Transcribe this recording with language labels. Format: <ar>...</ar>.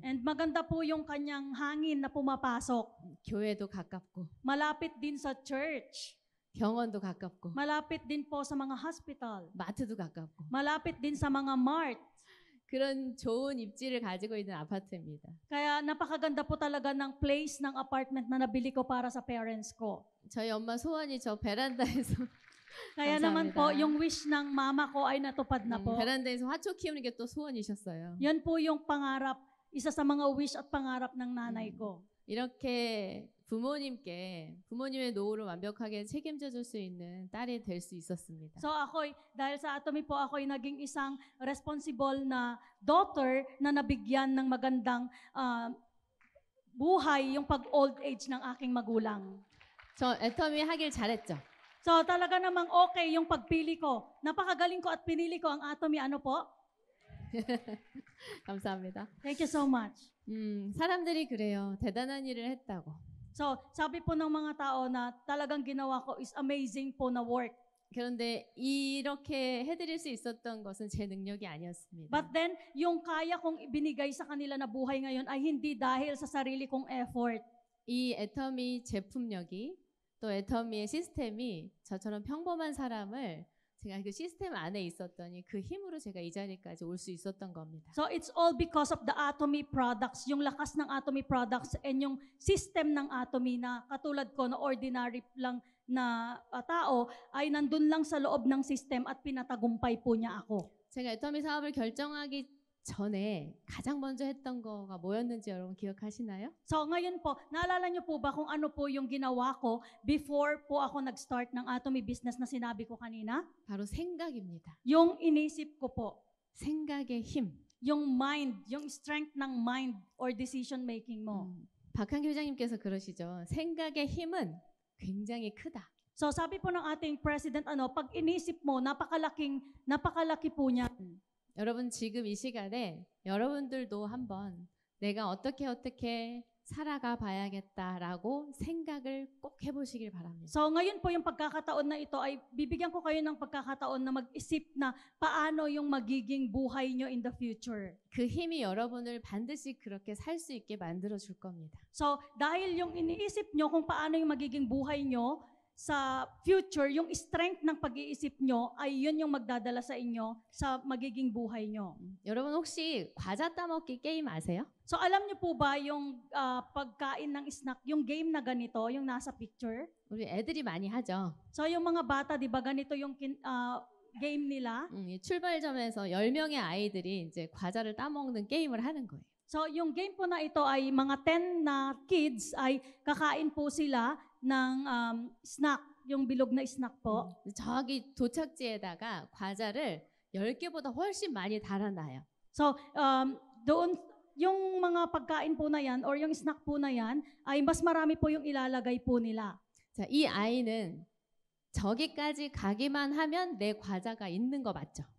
<tl>and maganda po yung kanyang hangin na pumapasok.</tl> <ko>교회도 가깝고</ko> <tl>malapit din sa church.</tl> <ko>병원도 가깝고</ko> <tl>malapit din po sa mga hospital.</tl> <ko>마트도 가깝고</ko> <tl>malapit din sa mga mart.</tl> <ko>그런 좋은 입지를 가지고 있는 아파트입니다. 그래야</ko> <tl>napakaganda po talaga ng place ng apartment na nabili ko para sa parents ko.</tl> <ko>저희 엄마 소원이 저 베란다에서 그래야 나만</ko> <tl>po yung wish ng mama ko ay natupad na po.</tl> <ko>베란다에서 화초 키우는 게 또 소원이셨어요.</ko> <tl>'Yan po yung pangarap, isa sa mga wish at pangarap ng nanay ko.</tl> <ko>이렇게 부모님께 부모님의 노후를 완벽하게 책임져 줄 수 있는 딸이 될 수 있었습니다.</ko> <tl>So ako, dahil sa Atomy po ako ay naging isang responsible na daughter na nabigyan ng magandang buhay yung pag old age ng aking magulang.</tl> <ko>So Atomy 하길 잘했죠.</ko> <tl>So talaga namang okay yung pagpili ko. Napakagaling ko at pinili ko ang Atomy ano po?</tl> <ko>감사합니다.</ko> <en>Thank you so much.</en> <ko>사람들이 그래요. 대단한 일을 했다고.</ko> <tl>So, sabi po ng mga tao na talagang ginawa ko is amazing po na work.</tl> <ko>그런데 이렇게 해드릴 수 있었던 것은 제 능력이 아니었습니다.</ko> <tl>But then, yung kaya kong ibinigay sa kanila na buhay ngayon ay hindi dahil sa sarili kong effort.</tl> <ko>이 Atomy 제품력이 또 Atomy의 시스템이 저처럼 평범한 사람을 제가 그 시스템 안에 있었더니 그 힘으로 제가 이 자리까지 올 수 있었던 겁니다.</ko> <en>So it's all because of the Atomy products,</en> <tl>yung lakas ng Atomy products and yung system ng Atomy na katulad ko na ordinary lang na tao ay nandun lang sa loob ng system at pinatagumpay po niya ako.</tl> <ko>제가 Atomy 사업을 결정하기 전에 가장 먼저 했던 거가 뭐였는지 여러분 기억하시나요?</ko> <tl>So ngayon po, naalala niyo po ba kung ano po yung ginawa ko before po ako nag-start ng Atomy business na sinabi ko kanina?</tl> <ko>바로 생각입니다.</ko> <tl>'Yung inisip ko po,</tl> <ko>생각의 힘,</ko> <tl>'yung mind, 'yung strength ng mind or decision making mo.</tl> <ko>박한규 회장님께서 그러시죠. 생각의 힘은 굉장히 크다.</ko> <tl>So 사비 po ng ating president ano, 'pag inisip mo, napakalaki po niya.</tl> <ko>여러분 지금 이 시간에 여러분들도 한번 내가 어떻게 살아가 봐야겠다라고 생각을 꼭 해보시길 바랍니다.</ko> <tl>So ngayon po yung pagkakataon na ito ay bibigyan ko kayo ng pagkakataon na mag-isip na paano yung magiging buhay nyo in the future.</tl> <ko>그 힘이 여러분을 반드시 그렇게 살 수 있게 만들어 줄 겁니다.</ko> <tl>So dahil yung iniisip nyo kung paano yung magiging buhay nyo sa future, yung strength ng pag-iisip nyo ay yun yung magdadala sa inyo sa magiging buhay nyo.</tl> <ko>여러분 혹시 과자 따먹기 게임 아세요?</ko> <tl>So alam nyo po ba yung pagkain ng snack, yung game na ganito, yung nasa picture?</tl> <ko>우리 애들이 많이 하죠.</ko> <tl>So yung mga bata, di ba ganito yung game nila?</tl> <ko>출발점에서 10명의 아이들이 이제 과자를 따먹는 게임을 하는 거예요.</ko> <tl>So yung game po na ito ay mga 10 na kids ay kakain po sila ng snack, yung bilog na snack po.</tl> <ko>저기 도착지에다가 과자를 10개보다 훨씬 많이 달아놔요.</ko> <tl>So doon yung mga pagkain po na yan or yung snack po na yan ay mas marami po yung ilalagay po nila.</tl> <ko>자, 이 아이는 저기까지 가기만 하면 내 과자가 있는 거 맞죠?</ko>